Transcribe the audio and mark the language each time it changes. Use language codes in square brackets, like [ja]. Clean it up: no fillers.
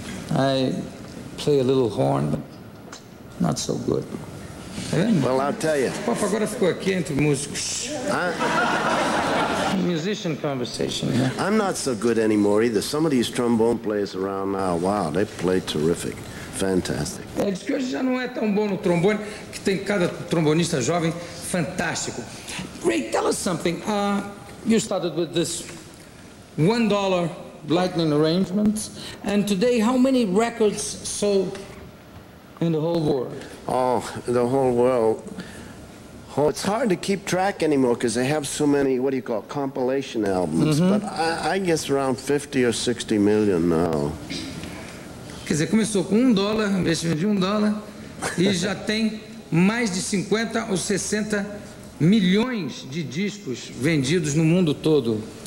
[en] I play a little horn, but not so good. Well, I'll tell you. [pt] Papa agora ficou aqui entre músicos. [en] Musician conversation. Yeah. I'm not so good anymore either. Some of these trombone players around now, wow, they play terrific. Fantastic. [pt] É, diz que hoje já não é tão bom no trombone, que tem cada trombonista jovem fantástico. [en] Great, tell us something. You started with this $1 lightning arrangements, and today how many records sold in the whole world? Oh, the whole world. Oh, it's hard to keep track anymore because they have so many, what do you call it, compilation albums. Mm-hmm. But I guess around 50 or 60 million now. [pt] Quer dizer, começou com $1, investimento de $1, e já tem mais de 50 ou 60 milhões de discos vendidos no mundo todo.